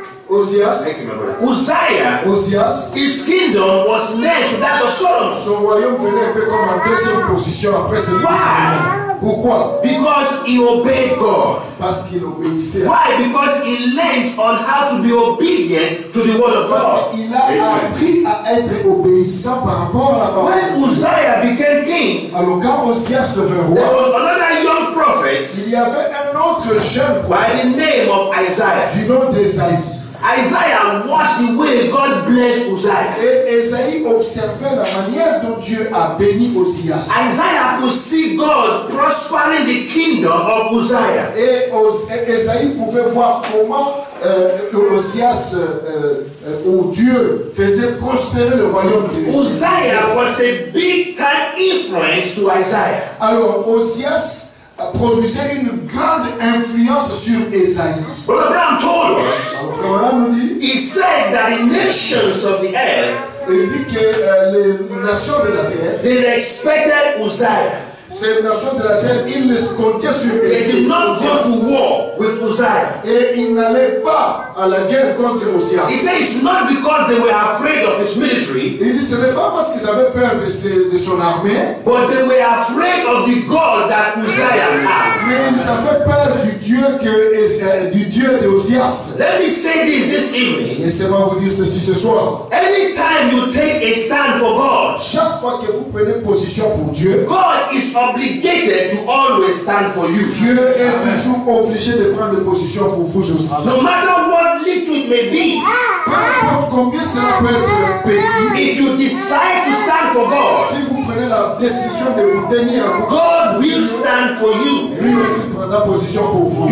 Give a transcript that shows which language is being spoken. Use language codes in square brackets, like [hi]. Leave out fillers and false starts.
[en] Uzziah, his kingdom was next to that of Solomon. [fr] Son royaume venait un peu comme en deuxième position après celui de Salomon. Pourquoi? [en] Because he obeyed God. [fr] Parce qu'il obéissait. [en] Why? Because he learned on how to be obedient to the word of God. [fr] Parce qu'il a appris à être obéissant par rapport à la parole. [en] When Uzziah became king, [fr] alors quand Ozias devint roi, [en] there was another young prophet. [fr] Il y avait un autre jeune prophète. [en] By the name of Isaiah. [fr] Du nom d'Isaïe. [en] Isaiah watched the way God blessed Uzziah. [fr] Et Isaïe observait la manière dont Dieu a béni Ozias. [en] Isaiah could see God prospering the kingdom of Uzziah. [fr] Et Isaïe pouvait voir comment Ozias ou Dieu faisait prospérer le royaume de Dieu. [en] Uzziah was a big time influence to Isaiah. [fr] Alors Ozias produisait une grande influence sur Esaïe. [en] Brother Abraham told us. [fr] Alors, Abraham nous dit. [en] He said that the nations of the earth. [fr] Il dit que les nations de la terre. [en] They respected Uzziah. [fr] Ces nations de la terre, ils les comptaient sur Esaïe. [en] They did not go to war with Uzziah. [fr] Et ils n'allaient pas à la guerre contre Ozias. [en] He said it's not because they were afraid of his military. [fr] Il dit ce n'est pas parce qu'ils avaient peur de son armée. [en] But they were afraid of the God that Uzziah had. [fr] Mais ils avaient peur du Dieu de Ozias. [en] Let me say this evening. [fr] Laissez-moi vous dire ceci ce soir. [en] Anytime you take a stand for God, [fr] chaque fois que vous prenez position pour Dieu, [en] God is obligated to always stand for you. [fr] Dieu est toujours obligé de prendre position pour vous aussi. [en] No matter what little it may be, [fr] peu importe combien cela peut être petit, [en] if you decide to stand for God, [fr] si vous prenez la décision de vous tenir, [en] God will stand for you. [fr] Lui aussi prendra position pour vous.